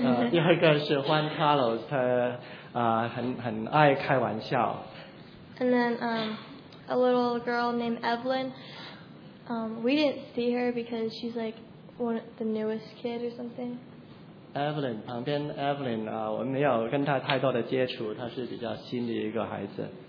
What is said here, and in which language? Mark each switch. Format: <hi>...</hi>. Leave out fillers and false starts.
<zh>第二个是 Juan Carlos， 他很爱开玩笑。</zh> <en>And then a little girl named Evelyn. We didn't see her because she's like one of the newest kid or something.</en> <zh>Evelyn 旁边 Evelyn 我没有跟她太多的接触，她是比较新的一个孩子。</zh>